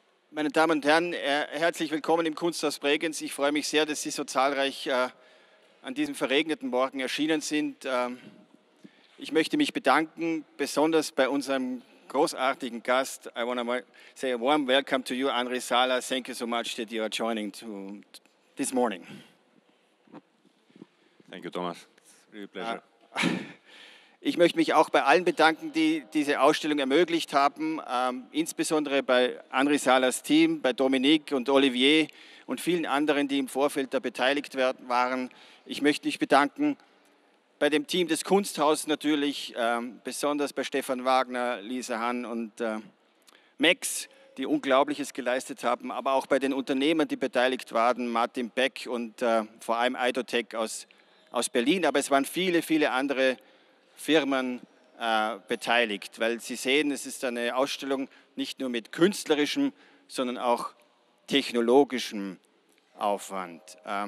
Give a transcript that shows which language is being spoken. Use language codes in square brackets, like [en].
[de] Meine Damen und Herren, herzlich willkommen im Kunsthaus Bregenz. Ich freue mich sehr, dass Sie so zahlreich an diesem verregneten Morgen erschienen sind. Ich möchte mich bedanken, besonders bei unserem großartigen Gast. [en] I want to say a warm welcome to you, Anri Sala. Thank you so much that you are joining this morning. Thank you, Thomas. Really a pleasure. [de] Ich möchte mich auch bei allen bedanken, die diese Ausstellung ermöglicht haben, insbesondere bei Anri Salas Team, bei Dominique und Olivier und vielen anderen, die im Vorfeld da beteiligt waren. Ich möchte mich bedanken bei dem Team des Kunsthauses natürlich, besonders bei Stefan Wagner, Lisa Hahn und Max, die Unglaubliches geleistet haben, aber auch bei den Unternehmern, die beteiligt waren, Martin Beck und vor allem Idotech aus Berlin, aber es waren viele, viele andere Firmen beteiligt, weil Sie sehen, es ist eine Ausstellung nicht nur mit künstlerischem, sondern auch technologischem Aufwand.